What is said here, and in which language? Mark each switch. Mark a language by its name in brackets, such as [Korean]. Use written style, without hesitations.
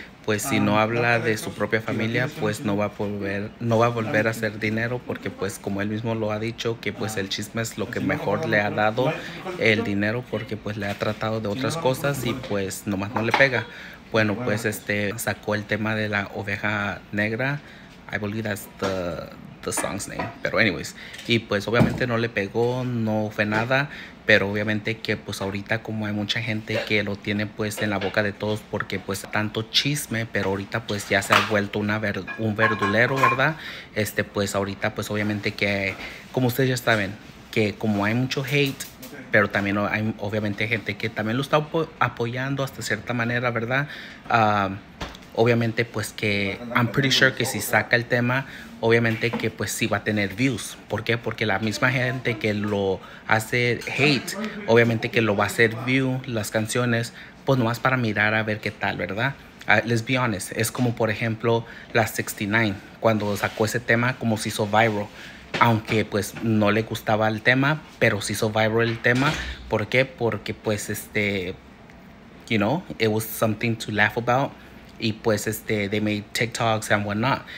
[Spanish] Pues si no habla de su propia familia, pues no va a volver a hacer dinero, porque pues como él mismo lo ha dicho, que pues el chisme es lo que mejor le ha dado el dinero, porque pues le ha tratado de otras cosas y pues nomás no le pega. Bueno, pues sacó el tema de la oveja negra. [English] I believe that's the song's name. [Spanish] Pero [English] anyways, [Spanish] y pues obviamente no le pegó, no fue nada. Pero obviamente que pues ahorita, como hay mucha gente que lo tiene pues en la boca de todos, porque pues tanto chisme, pero ahorita pues ya se ha vuelto un verdulero, ¿verdad? Pues ahorita pues obviamente que, como ustedes ya saben, que como hay mucho hate, pero también hay obviamente gente que también lo está apoyando hasta cierta manera, ¿verdad? Obviamente pues que [English] I'm pretty sure [Spanish] que si saca el tema, obviamente que pues sí va a tener views. ¿Por qué? Porque la misma gente que lo hace hate, obviamente que lo va a hacer view, las canciones, pues nomás para mirar a ver qué tal, ¿verdad? [English] Let's be honest, [Spanish] es como por ejemplo la 69, cuando sacó ese tema, como se hizo viral. Aunque pues no le gustaba el tema, pero se hizo viral el tema. ¿Por qué? Porque pues [English] you know, it was something to laugh about. [Spanish] Y pues [English] they made TikToks and whatnot.